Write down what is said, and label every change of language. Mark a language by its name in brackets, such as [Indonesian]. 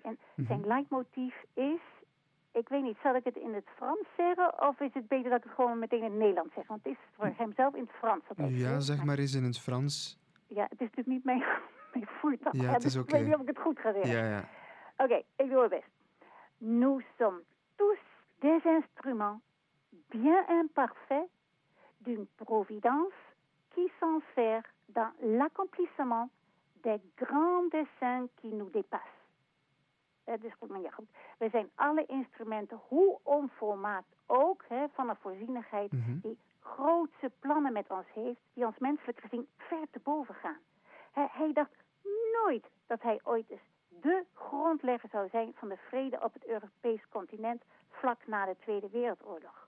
[Dutch] En zijn leidmotief is, ik weet niet, zal ik het in het Frans zeggen of is het beter dat ik het gewoon meteen in het Nederlands zeg? Want het is voor hemzelf in het Frans. Dat ja, zeg maar eens in het Frans. Ja, het is natuurlijk niet mijn voertuig. Ja, het is oké. Ik weet niet of ik het goed ga zeggen. Oké, ik doe mijn best. [French] Nous sommes tous des instruments bien imparfaits d'une providence qui s'en sert dans l'accomplissement des grands dessins qui nous dépassent. [Dutch] Dus, maar ja, goed. We zijn alle instrumenten, hoe onformaat ook, hè, van een voorzienigheid mm-hmm. die grootse plannen met ons heeft, die ons menselijk gezien ver te boven gaan. Hij dacht nooit dat hij ooit eens de grondlegger zou zijn van de vrede op het Europees continent vlak na de Tweede Wereldoorlog.